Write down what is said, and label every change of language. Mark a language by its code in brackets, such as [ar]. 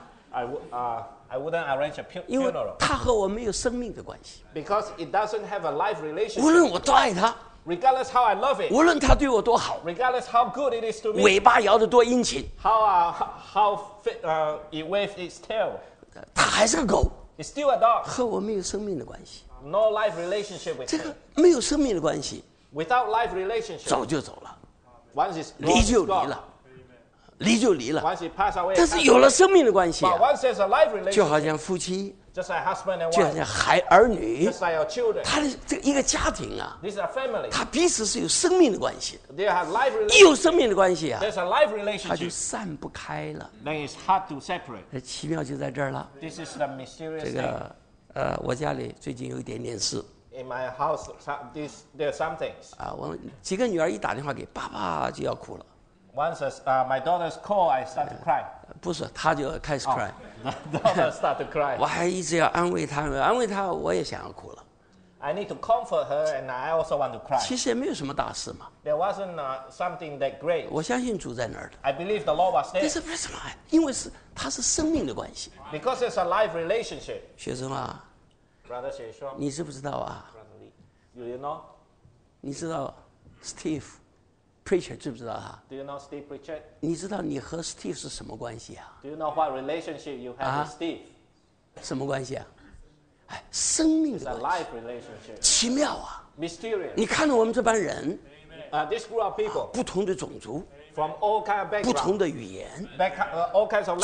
[en] I wouldn't arrange a funeral. [zh] 因为他和我没有生命的关系。 [en] Because it doesn't have a life relationship. [zh] 无论我多爱他。 [en] Regardless how I love it, [zh] 无论他对我多好 [en] regardless how good it is to me, [zh] 尾巴摇得多殷勤 [en] how fit, it waves its tail, [zh] 他还是个狗 [en] it's still a dog, [zh] 和我没有生命的关系 [en] no life relationship with [zh] 这个没有生命的关系 [en] without life relationship, [zh] 走就走了 [en] once it's gone, [zh] 离就离了离就离了 [en] once it pass away, [zh] 但是有了生命的关系、啊、 [en] but once there's a life relationship, [zh] 就好像夫妻 [en] Just like husband and wife, [zh] 就好像孩儿女 [en] just like your children, [zh] 他的这个一个家庭啊 [en] this is a family, [zh] 他彼此是有生命的关系 [en] they have life relationship, [zh] 一有生命的关系啊 [en] there's a life relationship, [zh] 他就散不开了 [en] then it's hard to separate, [zh] 奇妙就在这儿了 [en] this is the mysterious thing, [zh] 这个我家里最近有一点点事 [en] in my house, there are some things, [zh] 我几个女儿一打电话给爸爸就要哭了 [en] Once my daughter's call, I start to cry. [zh] 不是，她就开始 cry. [en] Daughter start to cry. [zh] 我还一直要安慰她，安慰她，我也想要哭了。 [en] I need to comfort her, and I also want to cry. [zh] 其实也没有什么大事嘛。 [en] There wasn't something that great. [zh] 我相信主在那儿的。 [en] I believe the Lord was there. [zh] 但是为什么？因为是它是生命的关系。 [en] Because it's a life relationship. [zh] 学生啊 [en] ，Brother 学生， [zh] 你知不知道啊 [en] ？Brother Lee，Do you know? [zh] 你知道 ，Steve。 Preacher 知不知道他 [en] ？Do you know Steve Preacher？ [zh] 你知道你和 Steve 是什么关系啊 [en] ？Do you know what relationship you have with Steve？ [zh] 什么关系啊？哎，生命的关系。 [en] It's a life relationship。 [zh] 奇妙啊 [en] ！Mysterious。 [zh] 你看到我们这帮人 [en] ，this group of people， [zh] 不同的种族 [en] ，from all kind of background， [zh] 不同的语言 [en] ，all kinds of language，